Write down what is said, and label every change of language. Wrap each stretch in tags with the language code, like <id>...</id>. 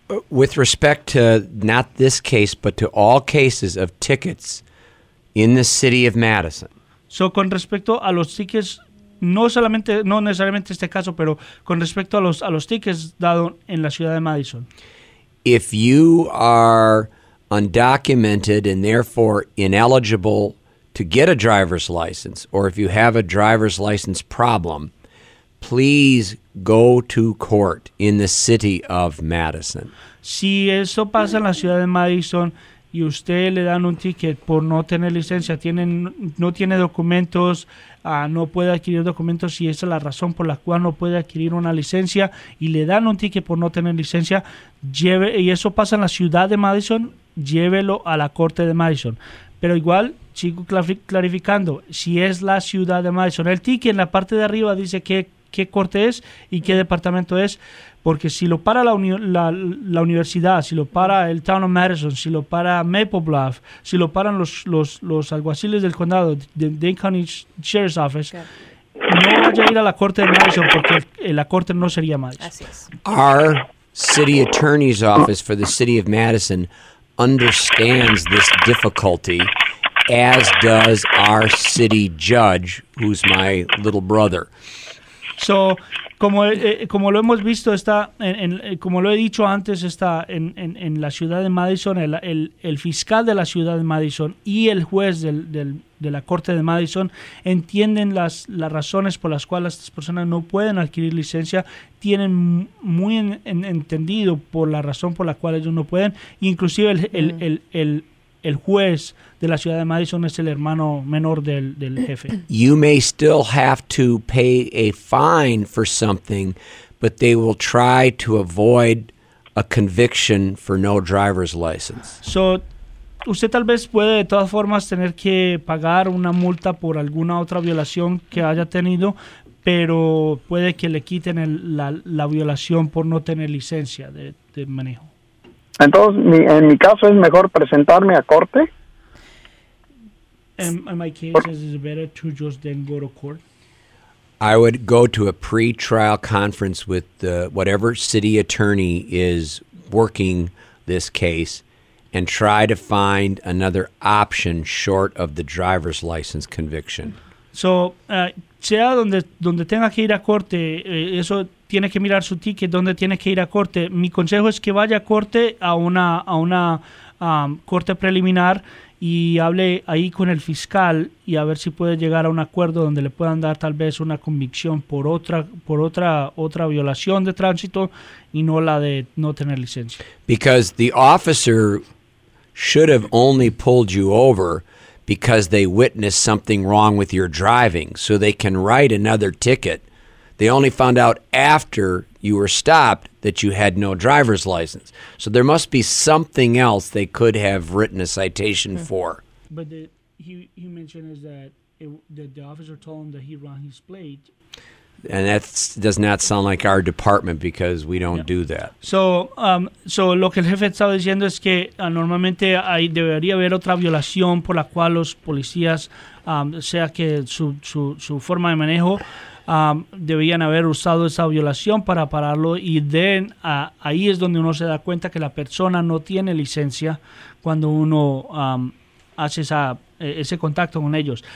<en>With respect to not this case, but to all cases of tickets in the city of Madison.</en> <es>So, con respecto a los tickets, no necesariamente este caso, pero con respecto a los tickets dados en la ciudad de Madison.</es> <en>If you are undocumented and therefore ineligible to get a driver's license, or if you have a driver's license problem, please go to court in the city of Madison.</en> <es>Si eso pasa en la ciudad de Madison y usted le dan un ticket por no tener licencia, no tiene documentos, no puede adquirir documentos, y esa es la razón por la cual no puede adquirir una licencia, y le dan un ticket por no tener licencia, y eso pasa en la ciudad de Madison, llévelo a la corte de Madison. Pero igual, sigo clarificando, si es la ciudad de Madison, el ticket en la parte de arriba dice qué corte es y qué departamento es, porque si lo para la universidad, si lo para el Town of Madison, si lo para Maple Bluff, si lo paran los alguaciles del condado, de Dane County Sheriff's Office, okay, no vaya a ir a la corte de Madison, porque la corte no sería Madison. Así es.</es> <en>Are city attorney's office for the city of Madison understands this difficulty, as does our city judge, who's my little brother.</en> <es>So, como lo hemos visto, está en como lo he dicho antes, está en la ciudad de Madison, el fiscal de la ciudad de Madison y el juez de la corte de Madison entienden las razones por las cuales estas personas no pueden adquirir licencia, tienen muy entendido por la razón por la cual ellos no pueden, inclusive el juez de la ciudad de Madison es el hermano menor del jefe.</es> <en>You may still have to pay a fine for something, but they will try to avoid a conviction for no driver's license.</en> <es>So, usted tal vez puede de todas formas tener que pagar una multa por alguna otra violación que haya tenido, pero puede que le quiten la violación por no tener licencia de manejo. Entonces, en mi caso es mejor presentarme a corte.</es> <en>In my case, is it better to just then go to court? I would go to a pre-trial conference with the whatever city attorney is working this case and try to find another option short of the driver's license conviction.</en> <es>So, sea donde tenga que ir a corte, eso tiene que mirar su ticket, donde tiene que ir a corte. Mi consejo es que vaya a corte, a una corte preliminar, y hable ahí con el fiscal y a ver si puede llegar a un acuerdo donde le puedan dar tal vez una convicción por otra violación de tránsito y no la de no tener licencia.</es> <en>Because the officer should have only pulled you over because they witnessed something wrong with your driving, so they can write another ticket. They only found out after you were stopped that you had no driver's license. So there must be something else they could have written a citation for. But he mentioned that the officer told him that he ran his plate. And that does not sound like our department, because we don't do that.</en> <es>So lo que el jefe estaba diciendo es que normalmente ahí debería haber otra violación por la cual los policías, sea que su forma de manejo, debían haber usado esa violación para pararlo, y then ahí es donde uno se da cuenta que la persona no tiene licencia cuando uno hace ese contacto con ellos.</es>